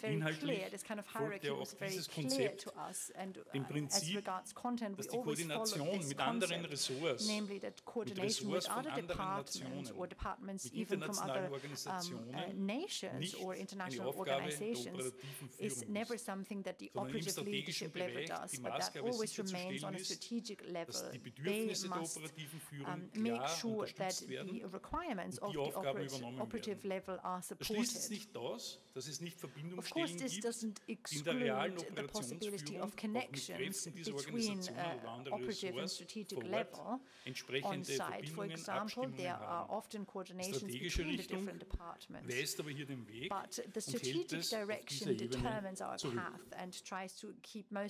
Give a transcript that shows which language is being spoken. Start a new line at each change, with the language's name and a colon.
German: Inhaltlich folgte auch dieses Konzept dem Prinzip, dass die Koordination mit anderen Ressorts, mit Ressorts von anderen Nationen, mit internationalen Organisationen, nicht eine Aufgabe der operativen Führung ist, sondern im strategischen Bereich die Maßgabe sicherzustellen ist, dass die Bedürfnisse der operativen Führung klar unterstützt werden.
English: The requirements of the operative level are supported.
German: Es schließt nicht aus, dass es nicht Verbindungsstellen gibt, in der realen Operationsführung mit Kräften dieser Organisationen oder anderen Ressorts vor Ort entsprechende Verbindungen, Abstimmungen haben. Strategische Richtung weist aber hier den Weg und hält es auf dieser Ebene zurück.